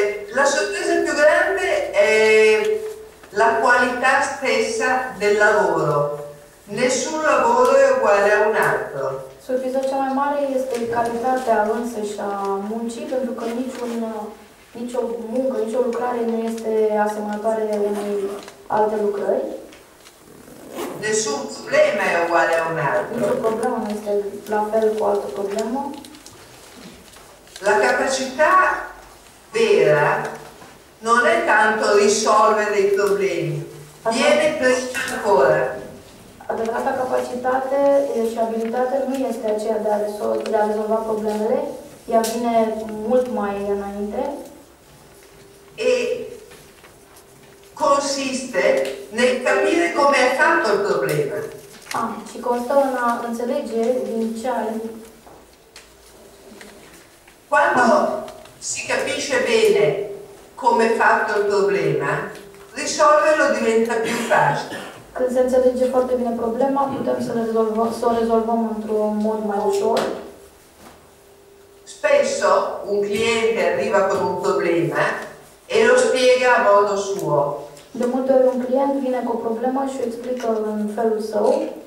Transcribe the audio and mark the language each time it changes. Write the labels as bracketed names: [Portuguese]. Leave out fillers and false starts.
[Italian] La sorpresa più grande è la qualità stessa del lavoro. Nessun lavoro è uguale a un altro. [Romanian] Sorpresa cea mai mare este calitatea însăși a muncii, pentru că nicio muncă, nicio lucrare nu este asemănătoare de unei alte lucrări. [Italian] Nessun problema è uguale a un altro. [Romanian] Nicio problemă nu este la fel cu altă problemă. [Italian] La capacità vera non è tanto risolvere i problemi, viene prima ancora. [Romanian] Adevărata capacitate și abilitate nu este aceea de a rezolva problemele, ea vine mult mai înainte. [Italian] E consiste nel capire come è fatto il problema. [Romanian] Și constă în a înțelege din ce ai. [Italian] Quando si capisce bene come è fatto il problema, risolverlo diventa più facile. [Romanian] Când se înțelege foarte bine problema, putem să o rezolvăm într-un mod mai ușor. [Italian] Spesso un cliente arriva con un problema e lo spiega a modo suo. [Romanian] De multe ori un client vine cu o problemă și o explică în felul său.